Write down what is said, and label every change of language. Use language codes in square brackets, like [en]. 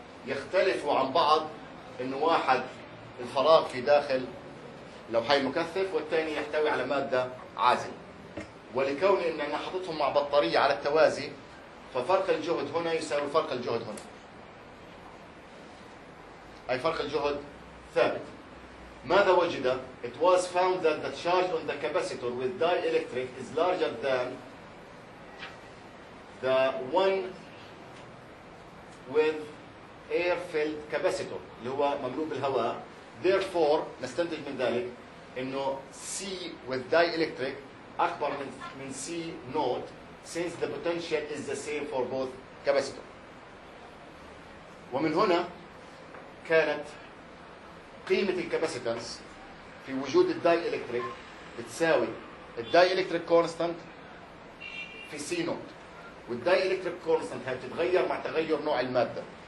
[ar] يختلفوا عن بعض انه واحد الفراغ في داخل لوحي مكثف والثاني يحتوي على ماده عازله. ولكون ان انا حطيتهم مع بطاريه على التوازي ففرق الجهد هنا يساوي فرق الجهد هنا. اي فرق الجهد ثابت. ماذا وجد؟ [en] It was found that the charge on the capacitor with dielectric is larger than the one with air-filled capacitor [ar] اللي هو مملوء بالهواء. [en] Therefore [ar] نستنتج من ذلك انه [en] C with dielectric [ar] اكبر من [en] C not since the potential is the same for both capacitor. [ar] ومن هنا كانت قيمة الكاباسيتانس في وجود الداي الكتريك بتساوي الداي الكتريك كونستانت في سي نوت، والداي الكتريك كونستانت هي بتتغير مع تغير نوع المادة.